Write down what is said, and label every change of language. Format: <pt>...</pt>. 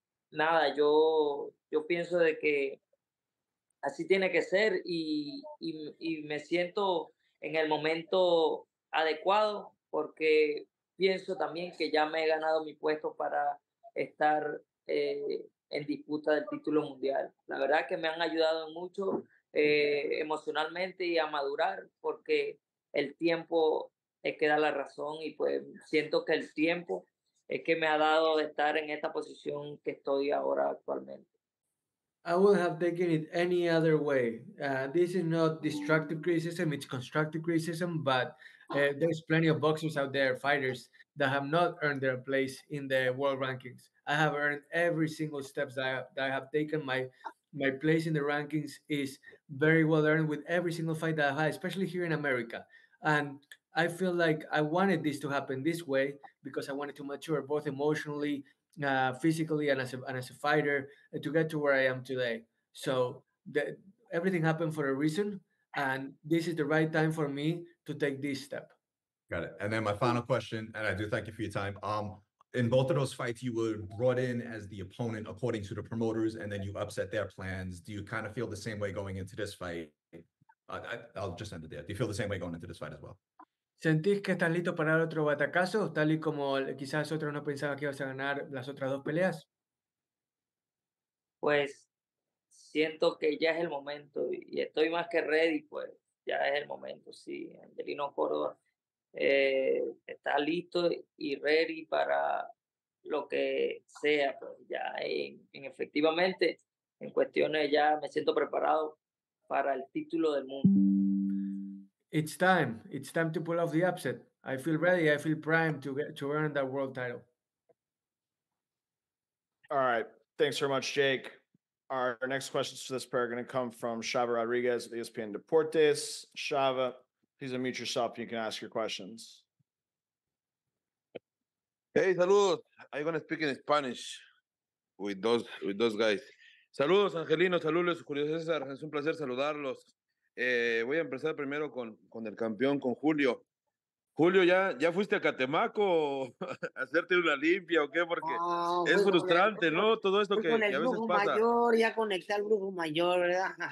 <es>nada, yo pienso de que así tiene que ser y me siento en el momento adecuado porque pienso también que ya me he ganado mi puesto para estar en disputa del título mundial. La verdad es que me han ayudado mucho emocionalmente y a madurar porque el tiempo es que da la razón y pues siento que el tiempo es que me ha dado de estar en esta posición que estoy ahora actualmente.</es> <en>I would have taken it any other way. This is not destructive criticism, it's constructive criticism, but there's plenty of boxers out there, fighters, that have not earned their place in the world rankings. I have earned every single step that I have taken. My place in the rankings is very well earned with every single fight that I've had, especially here in America. And I feel like I wanted this to happen this way because I wanted to mature both emotionally, physically, and as a fighter to get to where I am today. So everything happened for a reason, and this is the right time for me to take this step. Got it. And then my final question, and I do thank you for your time. In both of those fights, you were brought in as the opponent according to the promoters, and then you upset their plans. Do you kind of feel the same way going into this fight? I'll just end it there. Do you feel the same way going into this fight as well?</en> <es>¿Sentís que estás listo para otro batacazo, tal y como quizás otros no pensaban que ibas a ganar las otras dos peleas? Pues siento que ya es el momento y estoy más que ready, pues ya es el momento, sí. Angelino Córdoba está listo y ready para lo que sea, pues ya en efectivamente, en cuestiones ya me siento preparado para el título del mundo.</es> <en>It's time to pull off the upset. I feel ready, I feel primed to earn that world title. All right, thanks very much, Jake. Our next questions for this pair are going to come from Chava Rodriguez at ESPN Deportes. Chava, please unmute yourself and you can ask your questions.</en> <es>Hey, saludos.</es> <en>I'm going to speak in Spanish with those guys.</en> <es>Saludos, Angelino. Saludos, Julio César. Es un placer saludarlos. Voy a empezar primero con el campeón, con Julio. Julio, ¿ya fuiste a Catemaco a hacerte una limpia o qué? Porque es frustrante, ¿no? Todo esto que a veces pasa. Con el grupo mayor, ya conecté al grupo mayor, ¿verdad?</es>